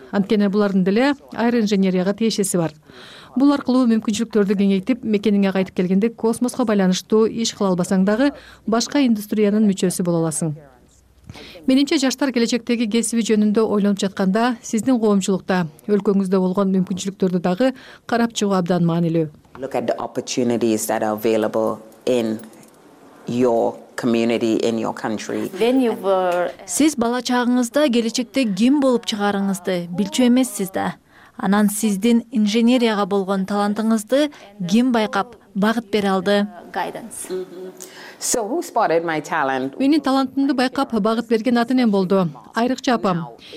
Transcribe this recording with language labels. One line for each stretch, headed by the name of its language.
Kyrgyz: Анткени булардын деле аэроинженерияга тиешеси бар. Бул аркылуу мүмкүнчүлүктөрдү кеңейтип, мекениңе кайтып келгенде космоско байланыштуу иш кыла албасаң дагы башка индустриянын мүчөсү боло аласың. Менимче жаштар келечектеги кесиби жөнүндө ойлонуп жатканда, сиздин коомчулукта, өлкөңүздө болгон мүмкүнчүлүктөрдү дагы карап чыгуу абдан маанилүү.
English: Look at the opportunities that are available in your community, in your country.
Kyrgyz: Сиз бала чагыңызда келечекте ким болуп чыгарыңызды билчү эмессиз да? Анан сиздин инженерияга болгон талантыңызды ким байкап багыт бере алды? Менин талантымды байкап багыт берген ата-энем болду. Айрыкча апам.